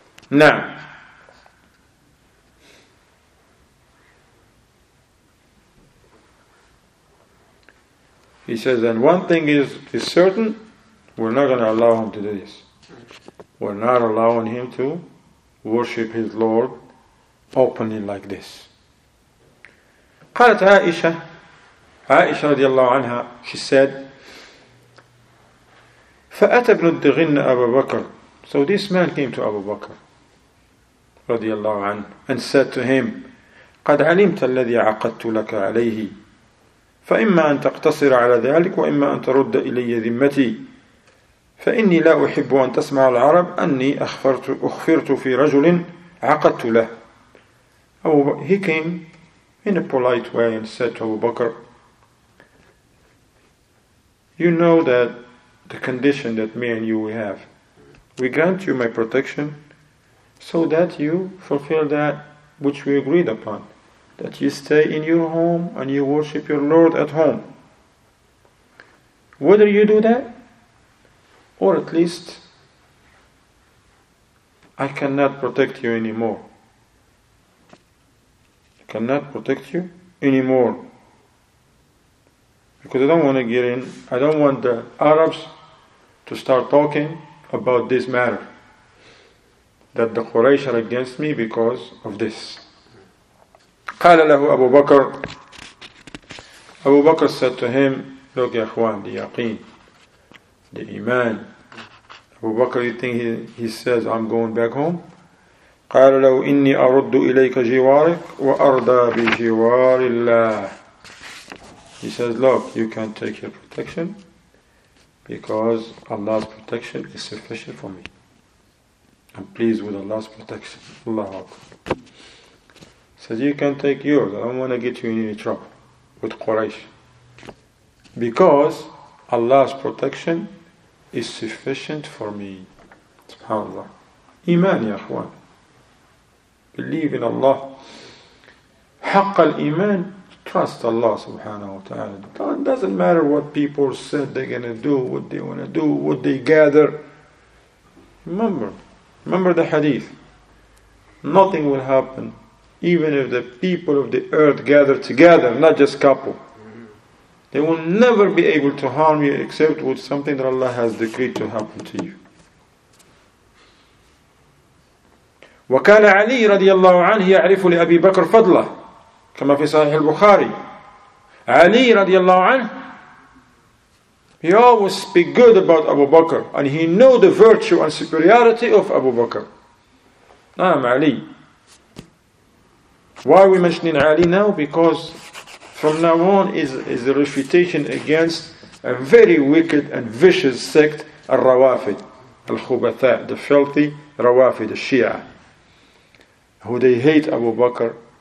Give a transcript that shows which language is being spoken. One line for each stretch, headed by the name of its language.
English: Now, he says, and one thing is certain, we're not going to allow him to do this. We're not allowing him to worship his Lord openly like this.
Arabic: قالت عائشة, عائشة رضي الله عنها,
English: she said,
Arabic: فأتى ابن الدغن أبا بكر.
English: So this man came to Abu Bakr
Arabic: رضي الله عنه
English: and said to him,
Arabic: قد علمت الذي عقدت لك عليه, فإما أن تقتصر على ذلك وإما أن ترد إلي ذمتي, فإني لا أحب أن تسمع العرب أني أخفرت في رجل عقدت له.
English: He came in a polite way and said to Abu Bakr, you know that the condition that me and you we have, we grant you my protection so that you fulfill that which we agreed upon, that you stay in your home and you worship your Lord at home. Whether you do that, or at least I cannot protect you anymore. Cannot protect you anymore. Because I don't want to get in, I don't want the Arabs to start talking about this matter, that the Quraysh are against me because of this.
Arabic: قال له أبو بكر.
English: Abu Bakr said to him, look,
Arabic: يا أخوان,
English: the yaqeen, the iman. Abu Bakr, you think he says, I'm going back home?
Arabic: قال له إني أرد إليك جوارك وأرضى بجوار الله.
English: He says, look, you can't take your protection because Allah's protection is sufficient for me. I'm pleased with Allah's protection. Allah says, you can take yours. I don't want to get you in any trouble with Quraysh, because Allah's protection is sufficient for me. SubhanAllah. Iman, ya akhwan. Believe in Allah.
Arabic: حق الإيمان.
English: Trust Allah subhanahu wa ta'ala. It doesn't matter what people said they're going to do, what they want to do, what they gather. Remember the hadith. Nothing will happen even if the people of the earth gather together, not just couple. They will never be able to harm you except with something that Allah has decreed to happen to you.
Arabic: وكان علي رضي الله عنه يعرف لأبي بكر فضله كما في صحيح البخاري. علي رضي الله عنه,
English: he always speak good about Abu Bakr and he know the virtue and superiority of Abu Bakr.
Arabic: نعم علي.
English: Why are we mentioning Ali now? Because from now on is a refutation against a very wicked and vicious sect,
Arabic: الروافد, الخبثاء,
English: the filthy روافد, the Shia, who they hate Abu Bakr.